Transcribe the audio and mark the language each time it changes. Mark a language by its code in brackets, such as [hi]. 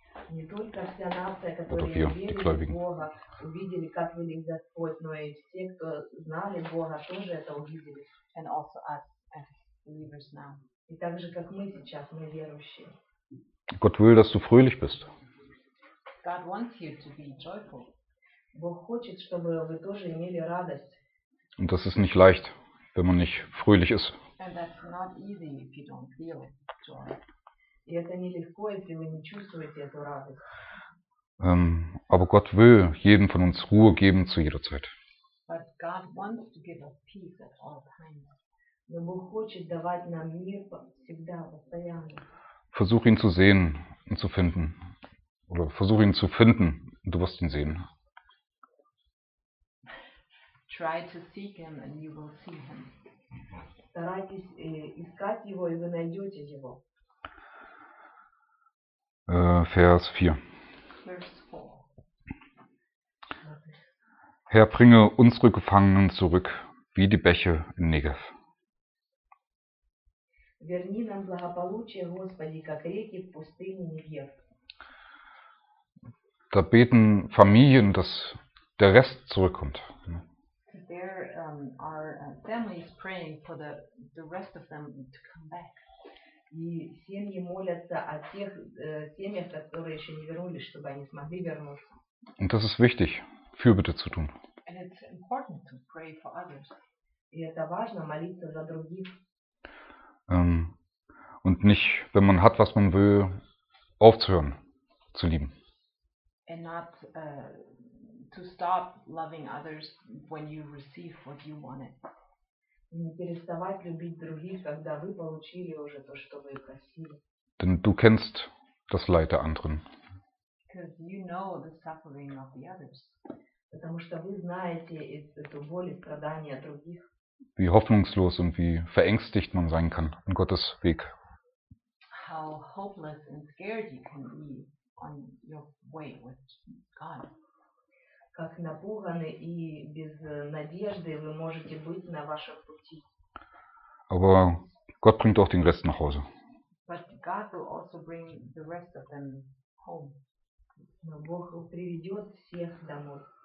[ru] Не только вся нация, которая верила в Бога, увидели, как велик Господь, но и все, кто знали Бога, тоже это увидели. [en] And also us as believers now. [ru] И так же, как мы сейчас, мы верующие. [de] Gott will, dass du fröhlich bist. [en] God wants you to be joyful. [ru] Бог хочет, чтобы вы тоже имели радость. [de] Und das ist nicht leicht, wenn man nicht fröhlich ist. [en] And that's not easy if you don't feel joy. [ru] И это нелегко, если вы не чувствуете эту радость. [de] Aber Gott will jedem von uns Ruhe geben zu jeder Zeit. [en] But God wants to give us peace at all times. [ru] Но Бог хочет давать нам мир всегда, постоянно. [de] Versuch ihn zu sehen und zu finden. Oder versuch ihn zu finden und du wirst ihn sehen. [en] Try to seek him and you will see him. [ru] Старайтесь искать его и вы найдете его. [de] Vers 4. Vers 4. Herr, bringe unsere Gefangenen zurück, wie die Bäche in Negev. [ru] Верни нам благополучие, Господи, как реки в пустыне Негев. [de] Da beten Familien, dass der Rest zurückkommt. [en] There are families praying for the rest of them to come back. [ru] И семьи молятся о тех семьях, которые еще не вернулись, чтобы они смогли вернуться. [de] Und das ist wichtig, Fürbitte zu tun. [en] And it's important to pray for others. [ru] И это важно, молиться за других. [de] Und nicht, wenn man hat, was man will, aufzuhören zu lieben. [en] And not to stop loving others when you receive what you wanted. [ru] Не переставать любить других, когда вы получили уже то, что вы просили. [de] Denn du kennst das Leid der anderen. [en] Because you know the suffering of the others. [ru] Потому что вы знаете эту боль и страдания других. [de] Wie hoffnungslos und wie verängstigt man sein kann an Gottes Weg. [en] How hopeless and scared you can be on your way with God. [ru] Как напуганы и без надежды вы можете быть на вашем пути. [de] Aber Gott bringt auch den Rest nach Hause. [en] But God will also bring the rest of them home. [ru] Но Бог приведет всех домой.